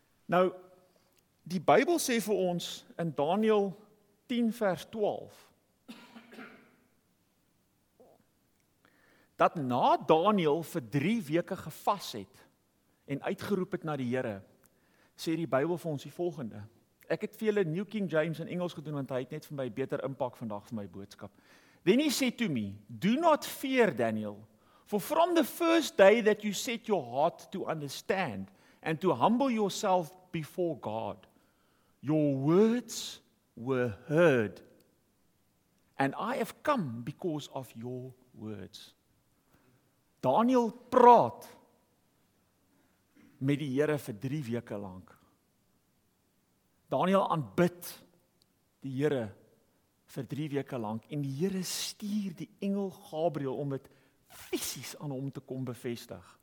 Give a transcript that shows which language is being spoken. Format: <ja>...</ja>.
<af>Nou, die Bybel sê vir ons in Daniël 10 vers 12, dat na Daniël vir 3 weke gevas het en uitgeroep het na die Here, sê die Bybel vir ons die volgende. Ek het vir julle New King James in Engels gedoen, want hy het net vir my beter impak vandag vir my boodskap.</af> <en>Then he said to me, do not fear, Daniel, for from the first day that you set your heart to understand and to humble yourself before God, your words were heard, and I have come because of your words.</en> <af>Daniel praat met die Here vir 3 weke lank. Daniel aanbid die Here vir 3 weke lank en die Here stuur die engel Gabriël om dit fisies aan hom te kom bevestig.</af>